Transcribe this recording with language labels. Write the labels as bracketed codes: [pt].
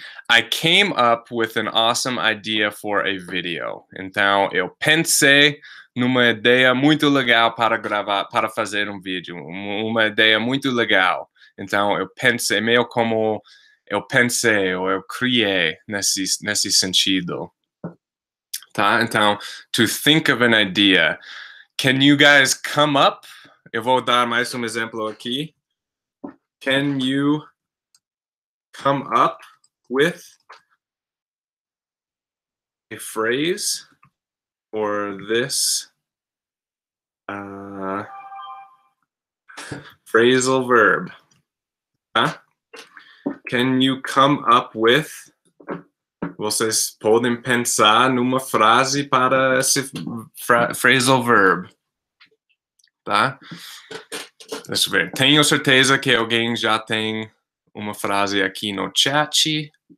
[en] I came up with an awesome idea for a video. [pt] Então, eu pensei numa ideia muito legal para gravar, para fazer um vídeo. Uma ideia muito legal. Então, eu pensei, meio como eu pensei ou eu criei nesse sentido. Tá? Então, [en] to think of an idea. Can you guys come up? [pt] Eu vou dar mais um exemplo aqui. [en] Can you come up with a phrase for this phrasal verb? Huh? Can you come up with... [pt] Vocês podem pensar numa frase para esse phrasal verb. Tá? Deixa eu ver. Tenho certeza que alguém já tem uma frase aqui no chat.